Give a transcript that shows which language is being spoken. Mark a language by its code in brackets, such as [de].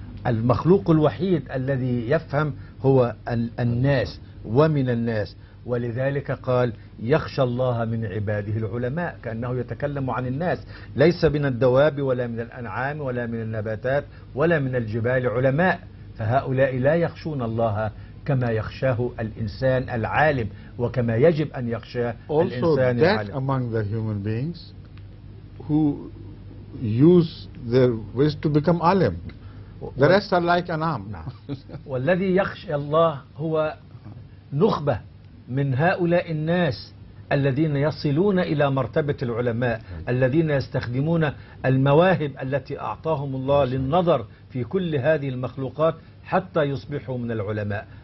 [ar] المخلوق الوحيد الذي يفهم هو الناس ومن الناس، ولذلك قال يخشى الله من عباده العلماء، كأنه يتكلم عن الناس، ليس من الدواب ولا من الأنعام ولا من النباتات ولا من الجبال علماء، فهؤلاء لا يخشون الله كما يخشاه الإنسان العالم وكما يجب أن يخشاه الإنسان العالم. [en] Also that among the human beings who use their ways to become alim. The rest are like anam. [ar] والذي يخشى الله هو نخبة من هؤلاء الناس الذين يصلون إلى مرتبة العلماء، الذين يستخدمون المواهب التي أعطاهم الله للنظر في كل هذه المخلوقات حتى يصبحوا من العلماء.